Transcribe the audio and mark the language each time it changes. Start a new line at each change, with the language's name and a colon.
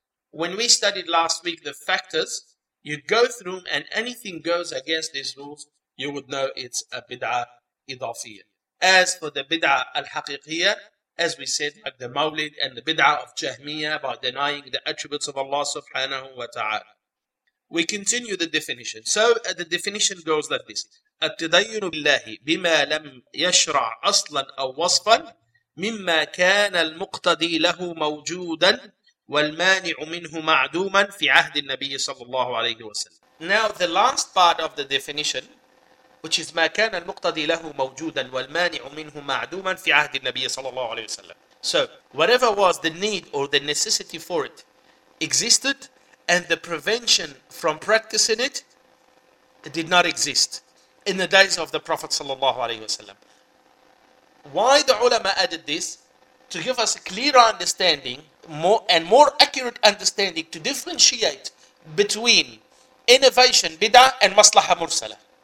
English: When we studied last week the factors, you go through and anything goes against these rules, you would know it's a bid'ah idafiyya. As for the bid'ah al-haqiqiyya, as we said, like the mawlid and the bid'ah of Jahmiyyah by denying the attributes of Allah subhanahu wa ta'ala. We continue the definition. So the definition goes like this.
Arabic: التدين بالله بما لم يشرع أصلا أو وصفا مما كان المقتدي له موجودا والمانع منه معدوما في عهد النبي صلى الله عليه وسلم.
English: Now the last part of the definition, which is
Arabic: ما كان المقتدي له موجودا والمانع منه معدوما في عهد النبي صلى الله عليه وسلم.
English: So whatever was the need or the necessity for it existed, and the prevention from practicing it did not exist in the days of the Prophet sallallahu alaihi wasallam. Why the ulama added this? To give us a clearer understanding, more accurate understanding, to differentiate between innovation, bid'ah, and maslaha mursala.